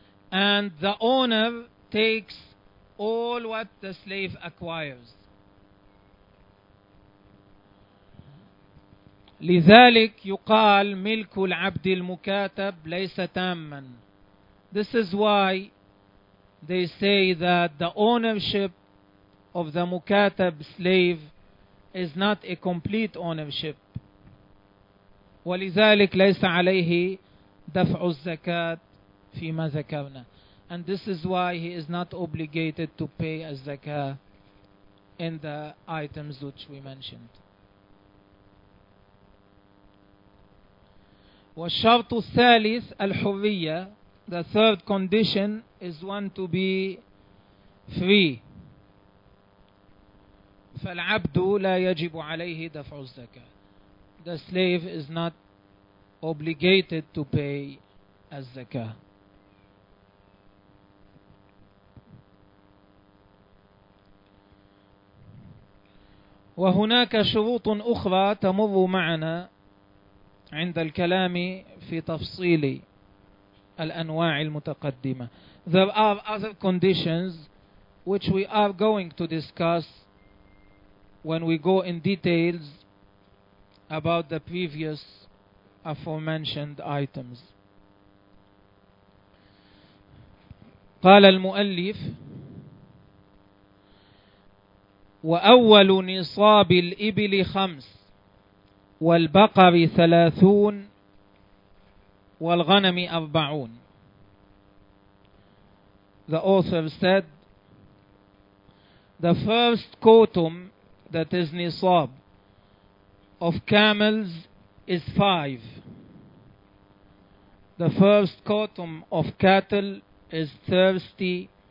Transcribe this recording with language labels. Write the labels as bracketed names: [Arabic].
[English] And the owner takes all what the slave acquires. [Arabic] لذلك يقال ملك العبد المكاتب ليس تاما. [English] This is why they say that the ownership of the مكاتب slave is not a complete ownership. [Arabic] ولذلك ليس عليه دفع الزكاة فيما ذكرنا. [English] And this is why he is not obligated to pay a zakah in the items which we mentioned. [Arabic] والشرط الثالث الحرية. [English] The third condition is one to be free. [Arabic] فالعبد لا يجب عليه دفع الزكاة. [English] The slave is not obligated to pay a zakah. [Arabic] وهناك شروط أخرى تمر معنا عند الكلام في تفصيل الأنواع المتقدمة. [English] There are other conditions which we are going to discuss when we go in details about the previous aforementioned items. [Arabic] قال المؤلف وأول نصاب الإبل خمس والبقر ثلاثون والغنم أربعون. [English] The author said, the first quotum, that is nisab, of camels is five. The first quotum of cattle is 30.